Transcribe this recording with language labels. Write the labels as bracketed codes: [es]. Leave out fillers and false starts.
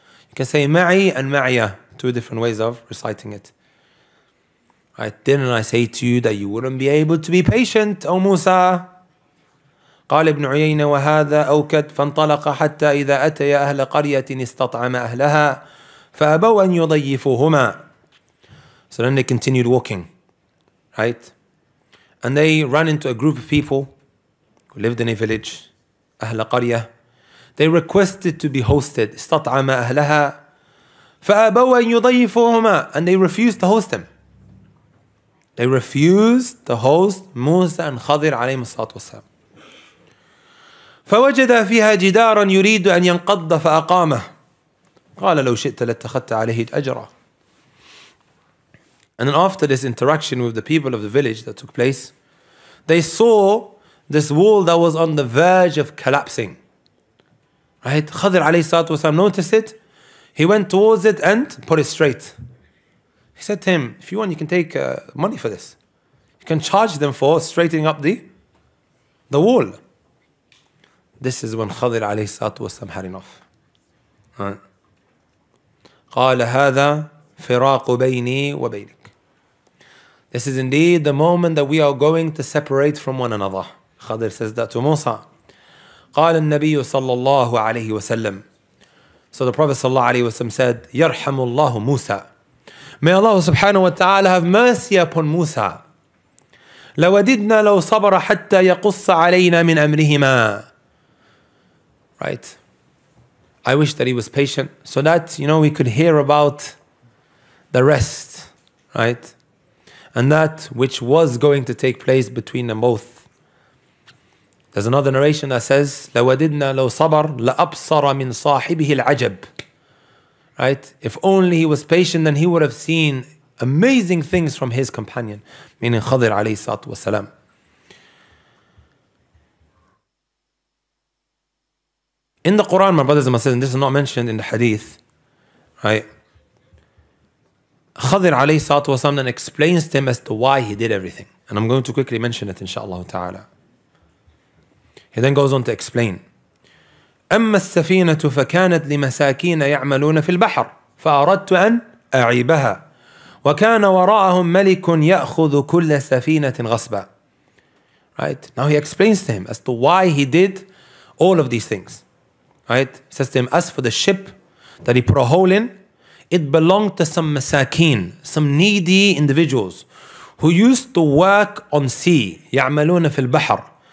[en] You can say معي and معي, two different ways of reciting it. Right? Didn't I say to you that you wouldn't be able to be patient, O Musa? [ar] قال ابن عيينة وهذا أوكد فانطلق حتى إذا أتي أهل قرية استطعم أهلها فأبوا أن يضيفوهما. [en] So then they continued walking, right? And they ran into a group of people who lived in a village, [ar] أهل قرية. [en] They requested to be hosted, [ar] استطعم أهلها فأبوا أن يضيفوهما. [en] And they refused to host them. They refused to host Musa and Khidr [ar] عليهم الصلاة والسلام. فوجد فيها جدارا يريد أن ينقض فأقامه. قال لو شئت لاتخذت عليه أجرا. [en] And then after this interaction with the people of the village that took place, they saw this wall that was on the verge of collapsing. Right? Khidr alayhi salatu wasalam noticed it. He went towards it and put it straight. He said to him, if you want, you can take money for this. You can charge them for straightening up the wall. This is when Khidr alayhi salatu wasalam had enough. [ar] قال هذا فراق بيني وبينك. [en] This is indeed the moment that we are going to separate from one another. Khidr says that to Musa. [ar] قال النبي صلى الله عليه وسلم. [en] So the Prophet [ar] صلى الله عليه وسلم [en] said, [ar] يرحم الله موسى. [en] May Allah subhanahu wa ta'ala have mercy upon Musa. [ar] لوددنا لو صبر حتى يقص علينا من أمرهما. [en] Right. I wish that he was patient so that, you know, we could hear about the rest, right? And that which was going to take place between them both. There's another narration that says, [ar] لَوَدِدْنَا لَوْ صَبَرْ لَأَبْصَرَ مِنْ صَاحِبِهِ الْعَجَبِ. [en] Right? If only he was patient, then he would have seen amazing things from his companion, meaning Khidr alayhi salatu wasalam. In the Quran, my brothers and my sisters, and this is not mentioned in the hadith, right? Khidr alayhi salatu wasalam then explains to him as to why he did everything. And I'm going to quickly mention it, inshaAllah ta'ala. He then goes on to explain. [ar] أما السفينة فكانت لمساكين يعملون في البحر فأردت أن أعيبها وكان وراءهم ملك يأخذ كل سفينة غصبا. [en] Right? Now he explains to him as to why he did all of these things. Right? He says to him, as for the ship that he put a hole in, it belonged to some masakin, some needy individuals who used to work on sea. [ar] يعملون في البحر.